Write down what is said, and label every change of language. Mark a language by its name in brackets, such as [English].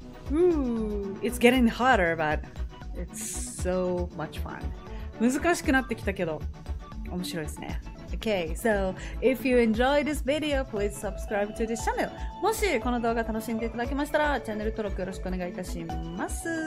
[English] Ooh, It's getting harder but it's so much fun。 [Japanese] 難しくなってきたけど面白いですね。 [English] Okay, so if you enjoyed this video, please subscribe to this channel. [Japanese] もしこの動画楽しんでいただけましたら、チャンネル登録よろしくお願いいたします。